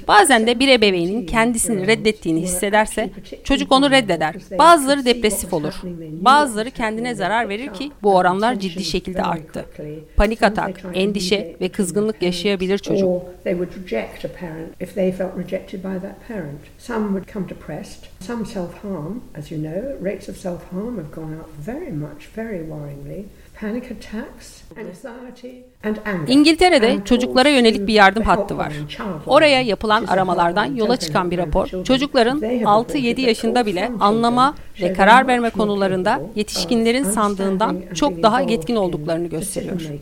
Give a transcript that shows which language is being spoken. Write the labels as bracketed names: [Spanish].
[Turkish] Bazen de bir ebeveynin kendisini reddettiğini hissederse çocuk onu reddeder. Bazıları depresif olur. Bazıları kendine zarar verir ki bu oranlar ciddi şekilde arttı. Panik atak, endişe ve kızgınlık yaşayabilir çocuk. [English] They would reject a parent if they felt rejected by that parent. Some would come depressed. Some self-harm, as you know, rates of self-harm have gone up very much, very worryingly. Panic attacks, anxiety. [Turkish] İngiltere'de çocuklara yönelik bir yardım hattı var. Oraya yapılan aramalardan yola çıkan bir rapor, çocukların 6-7 yaşında bile anlama ve karar verme konularında yetişkinlerin sandığından çok daha yetkin olduklarını gösteriyor.